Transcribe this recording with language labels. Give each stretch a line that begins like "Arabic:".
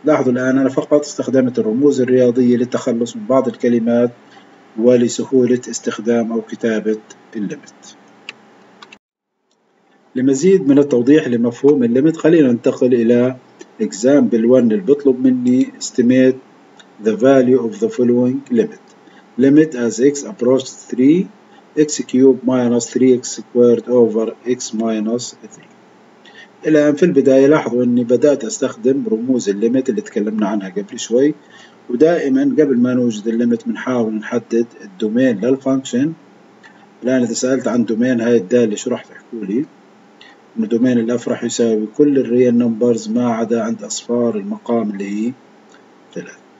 Arabic: لاحظوا الآن أنا فقط استخدمت الرموز الرياضية للتخلص من بعض الكلمات ولسهولة استخدام أو كتابة الليمت. لمزيد من التوضيح لمفهوم الليمت، خلينا ننتقل إلى example 1 اللي بطلب مني
English: estimate the value of the following limit. Limit as x approaches 3 x cubed minus 3 x squared over x minus 3.
Arabic: الآن في البداية لاحظوا أني بدأت أستخدم رموز الليمت اللي تكلمنا عنها قبل شوي، ودائما قبل ما نوجد الليمت بنحاول نحدد الدومين للفانكشن. الآن إذا سألت عن دومين هاي الدالة شو راح تحكوا لي؟ أن دومين الاف راح يساوي كل الريال نمبرز ما عدا عند أصفار المقام اللي هي 3.